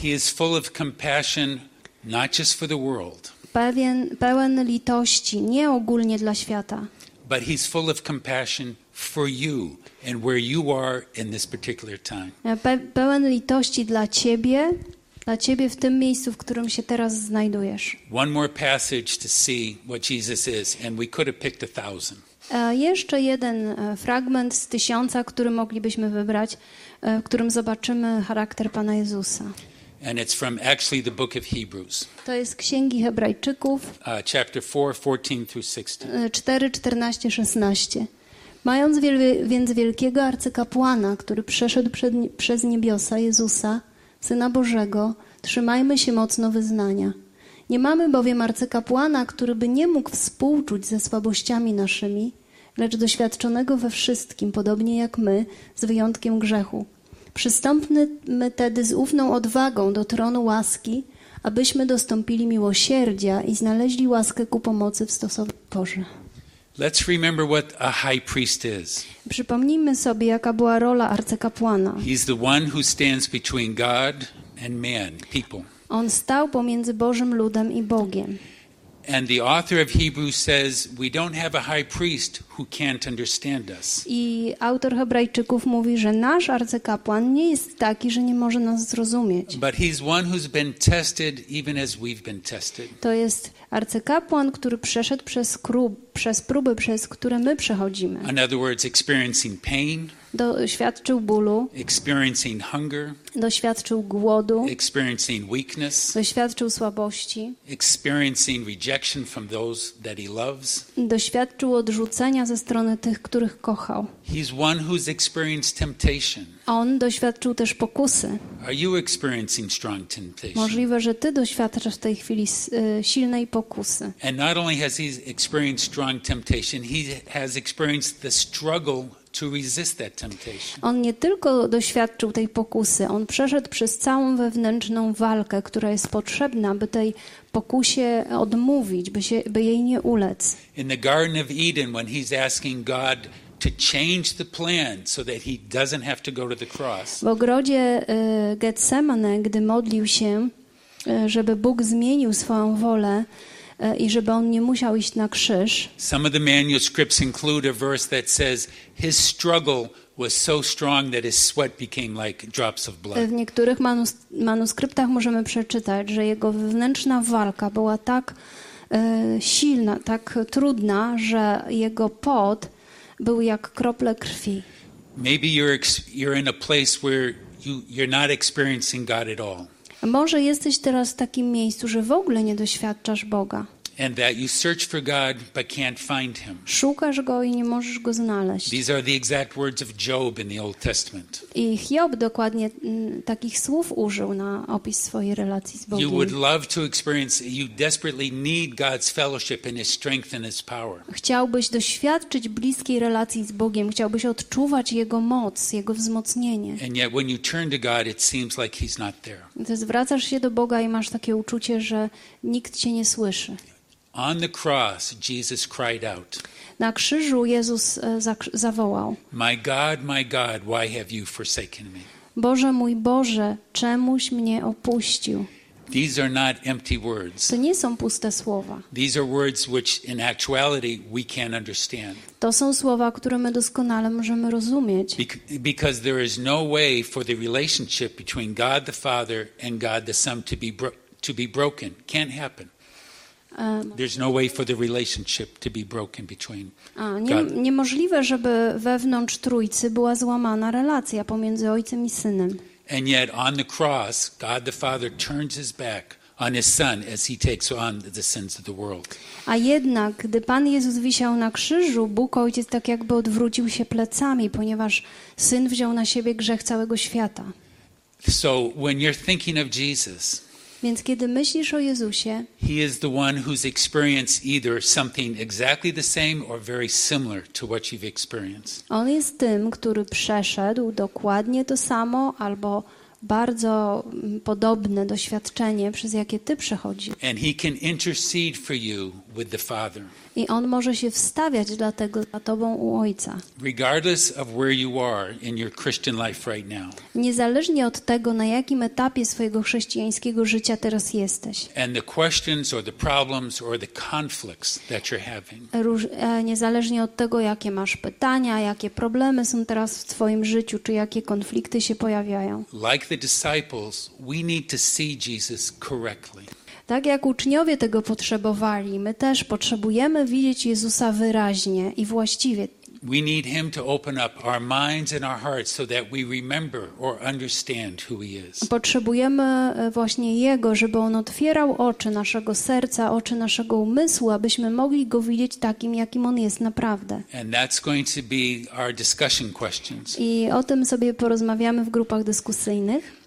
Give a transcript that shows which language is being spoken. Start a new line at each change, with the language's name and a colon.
English: He is full of compassion, not just for the world.
Polish: Pełen litości, nie ogólnie dla świata.
English: But he's full of compassion for you and where you are in this particular time.
Polish: Pełen litości dla ciebie w tym miejscu, w którym się teraz znajdujesz.
English: One more passage to see what Jesus is, and we could have picked 1,000.
Polish: Jeszcze jeden fragment z tysiąca, który moglibyśmy wybrać, w którym zobaczymy charakter Pana Jezusa.
English: And it's from actually the book of Hebrews.
Polish: To jest Księgi Hebrajczyków.
English: Chapter 4, 14 through 16.
Polish: 4, 14, 16. Mając więc wielkiego arcykapłana, który przeszedł przez niebiosa, Jezusa, Syna Bożego, trzymajmy się mocno wyznania. Nie mamy bowiem arcykapłana, który by nie mógł współczuć ze słabościami naszymi, lecz doświadczonego we wszystkim, podobnie jak my, z wyjątkiem grzechu. Przystąpmy tedy z ufną odwagą do tronu łaski, abyśmy dostąpili miłosierdzia i znaleźli łaskę ku pomocy w stosowni Boże.
English: Let's remember what a high priest is.
Polish: Przypomnijmy sobie, jaka była rola arcykapłana.
English: He's the one who stands between God and man, people.
Polish: On stał pomiędzy Bożym ludem i Bogiem.
English: And the author of Hebrews says we don't have a high priest who can't understand us.
Polish: I autor Hebrajczyków mówi, że nasz arcykapłan nie jest taki, że nie może nas zrozumieć.
English: But he's one who's been tested even as we've been tested.
Polish: To jest arcykapłan, który przeszedł przez próby, przez które my przechodzimy.
English: In other words, experiencing pain.
Polish: Doświadczył bólu.
English: Experiencing hunger.
Polish: Doświadczył głodu.
English: Experiencing weakness.
Polish: Doświadczył słabości.
English: Experiencing rejection from those that he loves.
Polish: Doświadczył odrzucenia ze strony tych, których kochał.
English: He's one who's experienced temptation.
Polish: On doświadczył też pokusy.
English: Are you experiencing strong temptation?
Polish: Możliwe, że ty doświadczasz w tej chwili silnej pokusy.
English: And not only has he experienced strong temptation, he has experienced the struggle to resist that temptation.
Polish: On nie tylko doświadczył tej pokusy, on przeszedł przez całą wewnętrzną walkę, która jest potrzebna, by tej pokusie odmówić, by jej nie ulec.
English: In the Garden of Eden, when he's asking God to change the plan so that he doesn't have to go to the cross.
Polish: W ogrodzie Getsemane, gdy modlił się, żeby Bóg zmienił swoją wolę i żeby on nie musiał iść na krzyż.
English: Some of the manuscripts include a verse that says his struggle was so strong that his sweat became like drops of blood.
Polish: W niektórych manuskryptach możemy przeczytać, że jego wewnętrzna walka była tak silna, tak trudna, że jego pot był jak krople krwi.
English: Maybe you're in a place where you're not experiencing God at all.
Polish: Może jesteś teraz w takim miejscu, że w ogóle nie doświadczasz Boga.
English: And that you search for God but can't find him.
Polish: Szukasz go i nie możesz go znaleźć.
English: These are the exact words of Job in the Old Testament.
Polish: I Hiob dokładnie takich słów użył na opis swojej relacji z Bogiem.
English: You would love to experience, you desperately need God's fellowship and his strength and his power.
Polish: Chciałbyś doświadczyć bliskiej relacji z Bogiem, chciałbyś odczuwać jego moc, jego wzmocnienie.
English: And yet when you turn to God, it seems like he's not there.
Polish: Gdy zwracasz się do Boga i masz takie uczucie, że nikt cię nie słyszy.
English: On the cross, Jesus cried out.
Polish: Na krzyżu Jezus zawołał.
English: My God, my God, why have you forsaken me?
Polish: Boże mój, Boże, czemuś mnie opuścił?
English: These are not empty words.
Polish: To nie są puste słowa.
English: These are words which in actuality we can't understand.
Polish: To są słowa, które my doskonale możemy rozumieć.
English: Because there is no way for the relationship between God the Father and God the Son to be broken. Can't happen. There's no way for the relationship to be broken between.
Polish: A niemożliwe, żeby wewnątrz Trójcy była złamana relacja pomiędzy Ojcem i Synem.
English: And yet on the cross, God the Father turns his back on his Son as he takes on the sins of the world.
Polish: A jednak, gdy Pan Jezus wisiał na krzyżu, Bóg Ojciec tak jakby odwrócił się plecami, ponieważ Syn wziął na siebie grzech całego świata.
English: So when you're thinking of Jesus,
Polish: więc kiedy myślisz o Jezusie,
English: he is the one who's experienced either something exactly the same or very similar to what you've experienced.
Polish: On jest tym, który przeszedł dokładnie to samo albo bardzo podobne doświadczenie, przez jakie ty przechodzisz.
English: And he can intercede for you with the Father.
Polish: I on może się wstawiać dlatego za tobą u Ojca.
English: Regardless of where you are in your Christian life right now.
Polish: Niezależnie od tego, na jakim etapie swojego chrześcijańskiego życia teraz jesteś.
English: And the questions or the problems or the conflicts that you're having.
Polish: Niezależnie od tego, jakie masz pytania, jakie problemy są teraz w twoim życiu, czy jakie konflikty się pojawiają.
English: Like the disciples, we need to see Jesus correctly.
Polish: Tak jak uczniowie tego potrzebowali, my też potrzebujemy widzieć Jezusa wyraźnie i właściwie.
English: We need him to open up our minds and our hearts so that we remember or understand who he is.
Polish: Potrzebujemy właśnie jego, żeby on otwierał oczy naszego serca, oczy naszego umysłu, abyśmy mogli go widzieć takim, jakim on jest naprawdę.
English: And that's going to be our discussion questions.
Polish: I o tym sobie porozmawiamy w grupach dyskusyjnych.